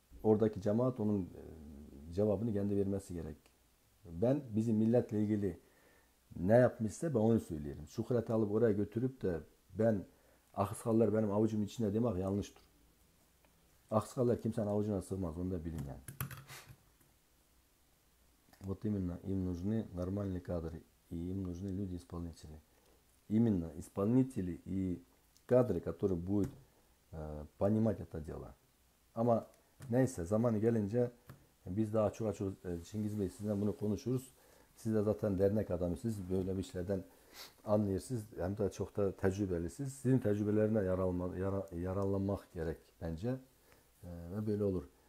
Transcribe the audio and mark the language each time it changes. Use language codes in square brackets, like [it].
[tr] Oradaki cemaat onun cevabını kendi vermesi gerek. Ben bizim milletle ilgili ne yapmışsa ben onu söyleyeyim. Şöhreti alıp oraya götürüp de ben aksakallar benim avucum içinde demek yanlıştır. Aksakallar kimsenin avucuna sığmaz. Onu da bilin yani. [ru] Вот именно, им нужны нормальные кадры, и им нужны люди-исполнители. Именно исполнители и кадры, которые будут понимать это дело. [tr] Ama neyse, zaman gelince biz daha çok açık, Çingiz Bey sizden bunu konuşuruz. Siz de zaten dernek adamı, siz böyle bir şeyden anlayırsınız. Hem de çok da tecrübelisiniz. Sizin tecrübelerine yararlanmak gerek bence. Ve böyle olur.